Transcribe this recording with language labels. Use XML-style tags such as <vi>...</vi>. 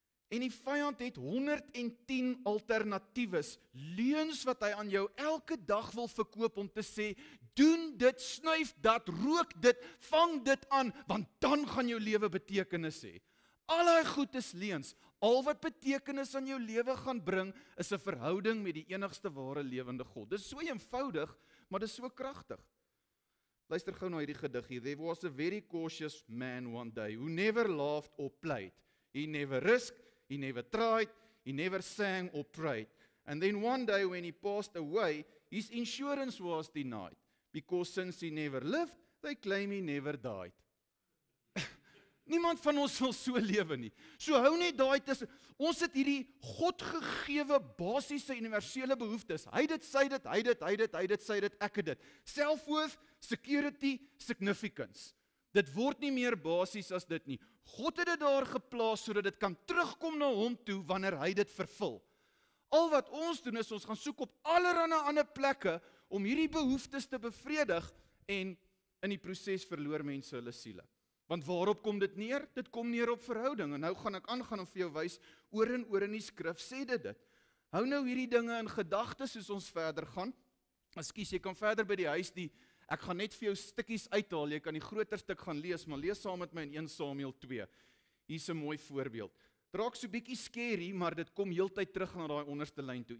<af>En die vijand het 110 alternatiewes, leuns wat hy aan jou elke dag wil verkoop om te sê, doen dit, snuif dat, rook dit, vang dit aan, want dan gaan jou lewe betekenis hê. Al hy goed is leuns, al wat betekenis aan jou lewe gaan bring, is 'n verhouding met die enigste ware lewende God. Dit is so eenvoudig, maar dit is so krachtig. Luister gou na hierdie gedig hier.</af> <en>There was a very cautious man one day, who never laughed or played. He never risked, he never tried, he never sang or prayed. And then one day when he passed away, his insurance was denied. Because since he never lived, they claim he never died.</en> <af>Niemand van ons wil so lewe nie. So hou net daai tussen. Ons het hierdie Godgegewe basiese universele behoeftes. Hy dit sê dit, hy dit, hy dit, hy dit sê dit, ek het dit.</af> <en>Self-worth, security, significance.</en> <af>Dit word nie meer basis as dit nie. God het dit daar geplaas sodat dit kan terugkom na hom toe wanneer hy dit vervul. Al wat ons doen is ons gaan soek op allerhande ander plekke om hierdie behoeftes te bevredig en in die proces verloor mense hulle siele. Want waarop kom dit neer? Dit kom neer op verhouding. En nou gaan ek aangaan om vir jou wys oor en oor in die skrif sê dit. Hou nou hierdie dinge in gedagtes soos ons verder gaan. Ekskuus, jy kan verder by die huis die ek gaan net vir jou stikkies uithaal, jy kan die groter stuk gaan lees, maar lees saam met my in 1 Samuel 2. Hier is een mooi voorbeeld. Het raak so bykie scary, maar dit kom heel tyd terug na die onderste lijn toe.</af>